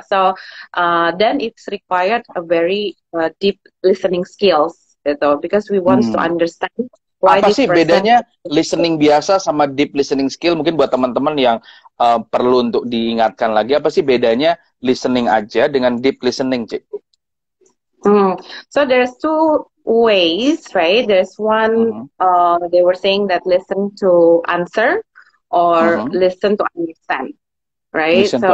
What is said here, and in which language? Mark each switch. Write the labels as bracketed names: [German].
[English] So, then it's required a very deep listening skills [Indonesian] gitu, [English] because we want to understand. [Indonesian] Why apa sih bedanya listening biasa sama deep listening skill? Mungkin buat teman-teman yang perlu untuk diingatkan lagi, apa sih bedanya listening aja dengan deep listening, Cik? [English] So there's two ways, right? There's one, they were saying that listen to answer or listen to understand, right?